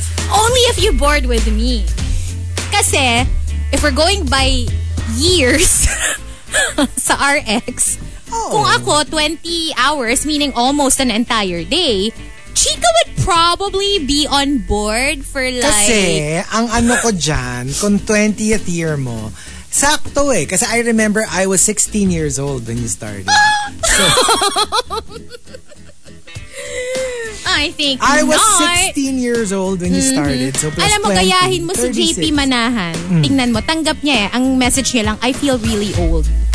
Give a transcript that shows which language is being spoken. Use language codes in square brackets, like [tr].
[en] Only if you board with me. Kasi, if we're going by years sa RX... Oh. Kung ako, 20 hours, meaning almost an entire day, Chico would probably be on board for like... [tl] Kasi, ang ano ko dyan, kung 20th year mo, sakto eh. [en] Kasi I remember I was 16 years old when you started. So, I was 16 years old when you started. So plus [tl] alam mo, [en] 20, [tl] gayahin mo 36. Si JP Manahan. Mm. Tingnan mo, tanggap niya eh. Ang message niya lang, [en] I feel really old.